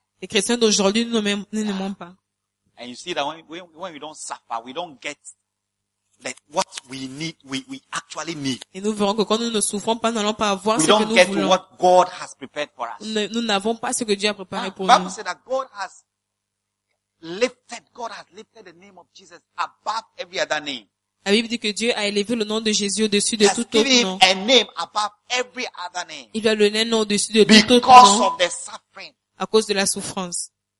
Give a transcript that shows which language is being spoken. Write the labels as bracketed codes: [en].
[fr] Les chrétiens d'aujourd'hui, nous ne m'aimons pas. [en] And you see that when we don't suffer, we don't get that what we need, we actually need. [fr] Et nous verrons que quand nous ne souffrons pas, nous n'allons pas avoir [en] we [fr] ce que nous voulons. [en] We don't get what God has prepared for us. [fr] Nous n'avons pas ce que Dieu a préparé pour [en] Bible [fr] nous. [en] Bible says that God has lifted the name of Jesus above every other name. [fr] La Bible dit que Dieu a élevé le nom de Jésus au-dessus de tout autre nom. [en] A name above every other name. [fr] Il a le nom au-dessus de [en] because [fr] tout autre nom. [en] Of the suffering. [fr] À cause de la souffrance.